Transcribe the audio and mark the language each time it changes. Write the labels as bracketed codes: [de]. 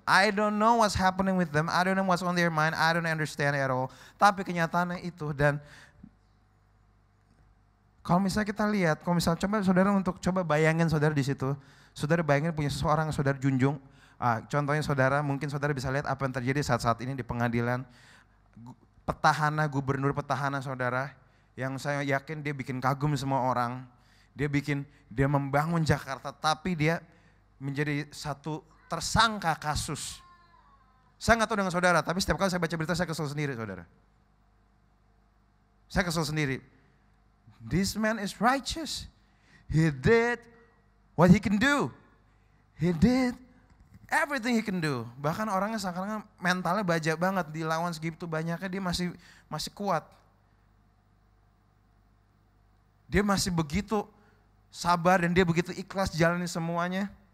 [en] I don't know what's happening with them, I don't know what's on their mind, I don't understand at all. [id] Tapi kenyataannya itu, dan kalau misalnya kita lihat, kalau misalnya coba bayangin saudara di situ, saudara bayangin punya seseorang saudara junjung, contohnya saudara, mungkin saudara bisa lihat apa yang terjadi saat-saat ini di pengadilan, petahana, gubernur petahana, saudara, yang saya yakin dia bikin kagum semua orang, dia membangun Jakarta, tapi dia menjadi satu tersangka kasus. Saya nggak tahu dengan saudara, tapi setiap kali saya baca berita, saya kesel sendiri, saudara. Saya kesel sendiri. [en] This man is righteous. He did what he can do. He did everything he can do. [id] Bahkan orangnya sekarang mentalnya baja banget, dilawan segitu banyaknya dia masih masih kuat. Dia masih begitu sabar dan dia begitu ikhlas jalani semuanya.